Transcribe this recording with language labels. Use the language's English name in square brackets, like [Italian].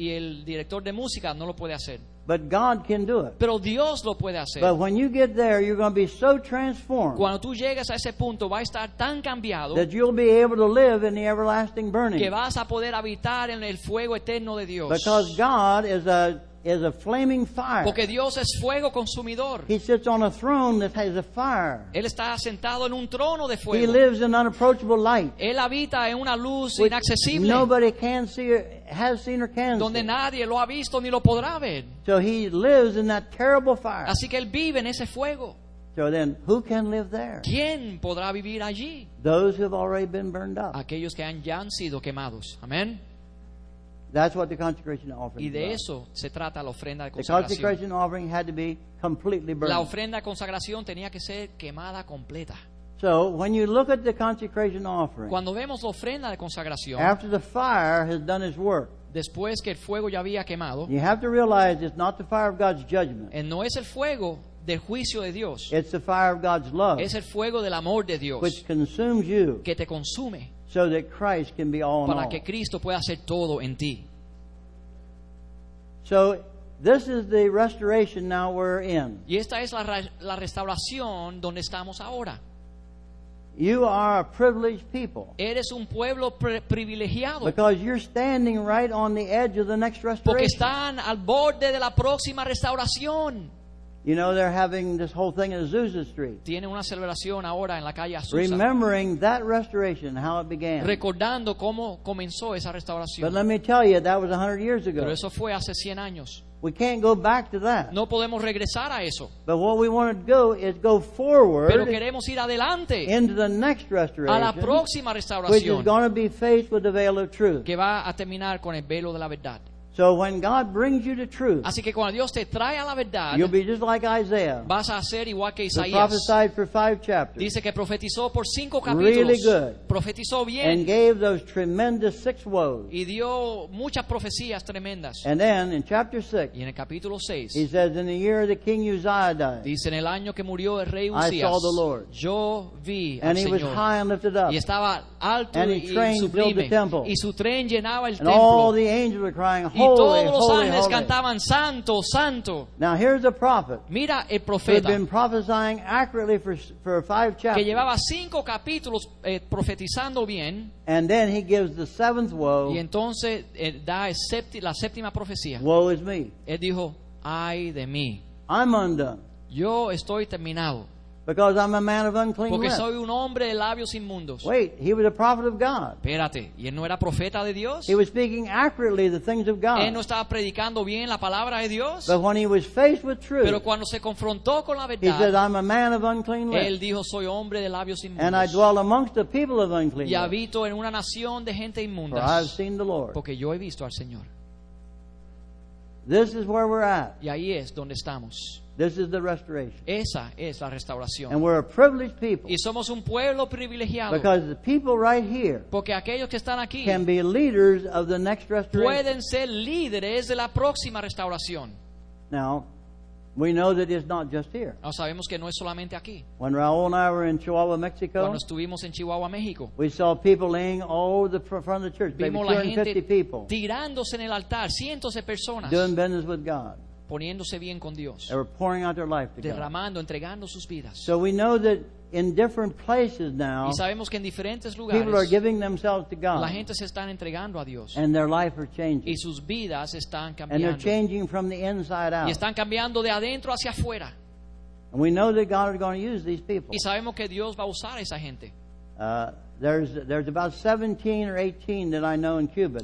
[Spanish] Y el director de música no lo puede hacer. [English] But God can do it. [Spanish] Pero Dios lo puede hacer. [English] But when you get there, you're going to be so transformed. [Spanish] Cuando tú llegas a ese punto, va a estar tan cambiado [English] that you'll be able to live in the everlasting burning. [Spanish] Que vas a poder habitar en el fuego eterno de Dios. [English] Because God is a flaming fire. [Spanish] Porque Dios es fuego consumidor. [English] He sits on a throne that has a fire. [Spanish] Él está sentado en un trono de fuego. [English] He lives in unapproachable light. [Spanish] Él habita en una luz inaccesible. [English] Nobody can see or has seen or can see. [Spanish] Donde nadie lo ha visto ni lo podrá ver. [English] So he lives in that terrible fire. [Spanish] Así que él vive en ese fuego. [English] So then, who can live there? [Spanish] ¿Quién podrá vivir allí? [English] Those who have already been burned up. [Spanish] Aquellos que ya han sido quemados. Amén. [English] That's what the consecration offering [Spanish] y de [English] was. [Spanish] Eso se trata la ofrenda de consagración. [English] The consecration offering had to be completely burned. [Spanish] La ofrenda de consagración tenía que ser quemada completa. [English] So when you look at the consecration offering, [Spanish] cuando vemos la ofrenda de consagración, [English] after the fire has done its work, [Spanish] después que el fuego ya había quemado, [English] you have to realize it's not the fire of God's judgment. [Spanish] Y no es el fuego del juicio de Dios. [English] It's the fire of God's love. [Spanish] Es el fuego del amor de Dios. [English] Which consumes you. [Spanish] Que te consume. [English] So that Christ can be all in [Spanish] para [English] all. [Spanish] Que Cristo pueda hacer todo en ti. [English] So this is the restoration now we're in. [Spanish] Y esta es la restauración donde estamos ahora. [English] You are a privileged people. [Spanish] Eres un pueblo privilegiado. [English] Because you're standing right on the edge of the next restoration. [Spanish] Porque están al borde de la próxima restauración. [English] You know, they're having this whole thing at Azusa Street. [Spanish] Tiene una celebración ahora en la calle Azusa. [English] Remembering that restoration, how it began. [Spanish] Recordando cómo comenzó esa restauración. [English] But let me tell you, that was 100 years ago. [Spanish] Pero eso fue hace 100 años. [English] We can't go back to that. [Spanish] No podemos regresar a eso. [English] But what we want to go is go forward. [Spanish] Pero queremos ir adelante. [English] Into the next restoration. [Spanish] A la próxima restauración. [English] Which is going to be faced with the veil of truth. [Spanish] Que va a terminar con el velo de la verdad. [English] So when God brings you to truth. [Spanish] Así que cuando Dios te trae a la verdad. [English] You'll be just like Isaiah. [Spanish] Vas a ser igual que Isaías. [English] Who prophesied for 5 chapters. [Spanish] Dice que profetizó por 5 capítulos. [English] Really good. [Spanish] Profetizó bien. [English] And gave those tremendous 6 woes. [Spanish] Y dio muchas profecías tremendas. [English] And then in chapter 6. [Spanish] Y en el capítulo 6. [English] He says in the year the king Uzziah died. [Spanish] Dice en el año que murió el rey Uzías. [English] I saw the Lord. [Spanish] Yo vi al Señor. [English] And he was high and lifted up. [Spanish] Y estaba alto [English] and [Spanish] y sublime. [English] Filled the temple. [Spanish] Y su tren llenaba el [English] and [Spanish] templo. [English] And all the angels were crying, [Spanish] y todos los ángeles cantaban santo, santo. [English] Now here's a prophet. [Spanish] Mira el profeta. [English] Who had been prophesying accurately for 5 chapters. [Spanish] Que llevaba 5 capítulos profetizando bien. [English] And then he gives the 7th woe. [Spanish] Y entonces da la séptima profecía. [English] Woe is me. [Spanish] Él dijo, ay de mí. [English] I'm undone. [Spanish] Yo estoy terminado. [English] Because I'm a man of unclean lips. [Spanish] Porque soy un hombre de labios inmundos. [English] Wait, he was a prophet of God. [Spanish] Espérate, ¿y él no era profeta de Dios? [English] He was speaking accurately the things of God. [Spanish] Él no estaba predicando bien la palabra de Dios. [English] But when he was faced with truth, [Spanish] pero cuando se confrontó con la verdad, [English] he said, I'm a man of unclean lips. [Spanish] Él dijo, soy hombre de labios inmundos. [English] And I dwell amongst the people of unclean lips. [Spanish] Y habito en una nación de gente inmunda. [English] For I have seen the Lord. [Spanish] Porque yo he visto al Señor. [English] This is where we're at. [Spanish] Y ahí es donde estamos. [English] This is the restoration. [Spanish] Esa es la restauración. [English] And we're a privileged people. [Spanish] Y somos un pueblo privilegiado. [English] Because the people right here. [Spanish] Porque aquellos que están aquí. [English] Can be leaders of the next restoration. [Spanish] Pueden ser líderes de la próxima restauración. [English] Now, we know that it's not just here. [Spanish] O sabemos que no es solamente aquí. [English] When Raúl and I were in Chihuahua, Mexico. [Spanish] Cuando estuvimos en Chihuahua, México. [English] We saw people laying all the front of the church. [Spanish] Vimos [English] maybe 250 people. [Spanish] Tirándose en el altar, cientos de personas. [English] Doing business with God. [Spanish] Poniéndose bien con Dios. [English] They were pouring out their life to [Spanish] derramando, [English] God. [Spanish] Entregando sus vidas. [English] So we know that in different places now, [Spanish] y sabemos que en diferentes lugares, [English] people are giving themselves to God. [Spanish] La gente se están entregando a Dios. [English] And their life are changing. [Spanish] Y sus vidas están cambiando. [English] And they're changing from the inside out. [Spanish] Y están cambiando de adentro hacia afuera. [English] And we know that God is going to use these people. [Spanish] Y sabemos que Dios va a usar a esa gente. [English] There's about 17 or 18 that I know in Cuba.